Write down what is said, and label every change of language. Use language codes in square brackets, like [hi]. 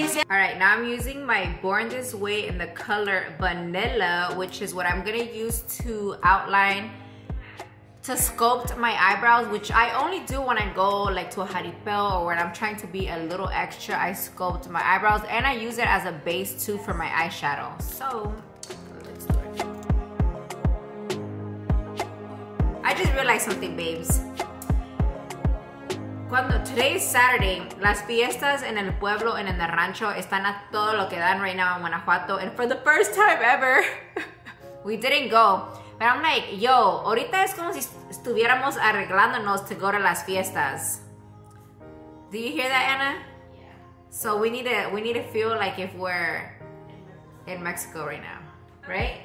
[en] All right, now I'm using my Born This Way in the color Vanilla, which is what I'm gonna use to outline to sculpt my eyebrows, which I only do when I go like to a jaripeo or when I'm trying to be a little extra. I sculpt my eyebrows and I use it as a base too for my eyeshadow. So let's do it. I just realized something, babes. Today is Saturday. [es] Las fiestas en el pueblo [en] and in the [es] rancho están a todo lo que dan [en] right now in [es] Guanajuato. [en] And for the first time ever, we didn't go. But I'm like, yo, [es] ahorita es como si estuviéramos arreglándonos [en] to go to [es] las fiestas. [en] Do you hear that, Anna? Yeah. So we need to feel like if we're in Mexico right now, right?